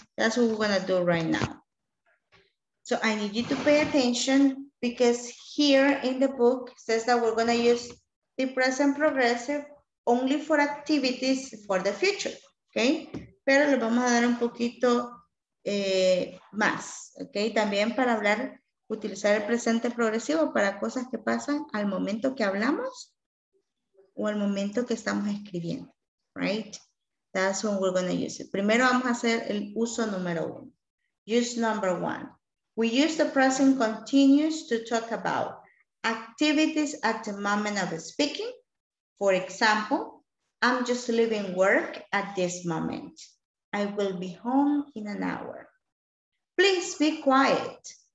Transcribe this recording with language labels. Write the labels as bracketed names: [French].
[English] That's what we're gonna do right now. So I need you to pay attention because here in the book says that we're gonna use the present progressive only for activities for the future, okay? [Spanish] Pero le vamos a dar un poquito más, okay? También para hablar, utilizar el presente progresivo para cosas que pasan al momento que hablamos o al momento que estamos escribiendo, right? [English] That's when we're gonna use it. [Spanish] Primero vamos a hacer el uso número uno. [English] Use number one. We use the present continuous to talk about activities at the moment of speaking. For example, I'm just leaving work at this moment. I will be home in an hour. Please be quiet.